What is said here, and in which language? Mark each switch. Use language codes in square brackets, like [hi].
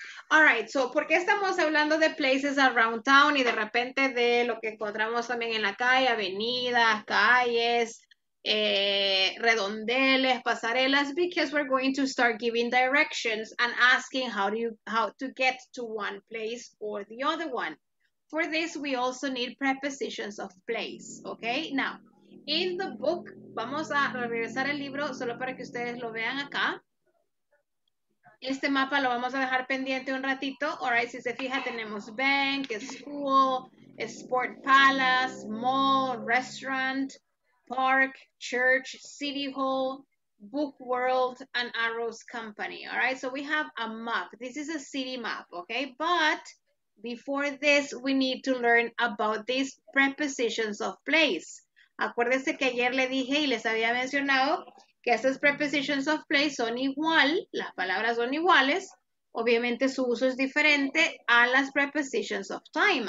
[en] All right, [es] so, ¿por qué estamos hablando de [en] places around town [es] y de repente de lo que encontramos también en la calle, avenidas, calles, redondeles, pasarelas? [en] Because we're going to start giving directions and asking how to get to one place or the other one. For this, we also need prepositions of place, okay? Now, in the book, [es] vamos a regresar el libro solo para que ustedes lo vean acá. Este mapa lo vamos a dejar pendiente un ratito. [en] All right, [es] si se fija, tenemos [en] bank, school, sport palace, mall, restaurant, park, church, city hall, book world, and Arrows Company. All right, so we have a map. This is a city map, okay? But before this, we need to learn about these prepositions of place. [es] Acuérdense que ayer le dije y les había mencionado que estas prepositions of place son igual, las palabras son iguales, obviamente su uso es diferente a las prepositions of time.